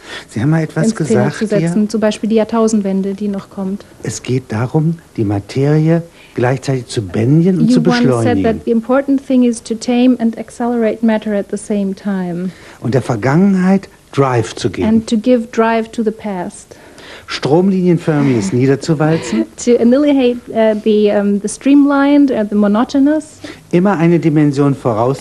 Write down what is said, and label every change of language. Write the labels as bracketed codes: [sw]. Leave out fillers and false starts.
[de] Sie haben mal etwas gesagt, ins Thema zu setzen, zum Beispiel die Jahrtausendwende, die noch kommt. Es geht darum, die Materie gleichzeitig zu bändigen und zu beschleunigen. [en] You once said that the important thing is to tame and accelerate matter at the same time. [de] Und der Vergangenheit Drive zu geben. [en] And to give drive to the past. [de] Stromlinienförmiges niederzuwalzen. [en] To annihilate the streamlined, the monotonous. [de] Immer eine Dimension voraus